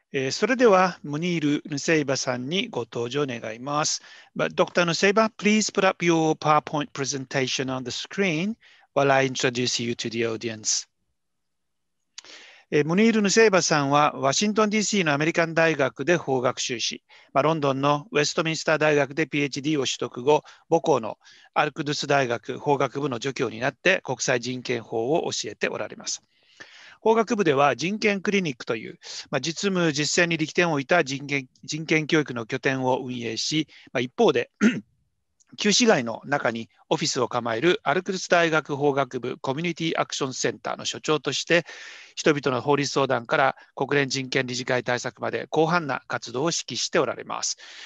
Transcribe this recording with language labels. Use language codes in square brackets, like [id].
[ja] それではムニール・ヌセイバさんにご登場願います。 [en] Dr. ヌセイバ、please put up your PowerPoint presentation on the screen while I introduce you to the audience. [ja] ムニール・ヌセイバさんはワシントン DC のアメリカン大学で法学修士、ロンドンのウェストミンスター大学で PhD を取得後、母校のアルクドゥス大学法学部の助教になって国際人権法を教えておられます。法学部では人権クリニックという、実務実践に力点を置いた人権教育の拠点を運営し、一方で旧市街の中にオフィスを構えるアルクルス大学法学部コミュニティアクションセンターの所長として人々の法律相談から国連人権理事会対策まで広範な活動を指揮しておられます。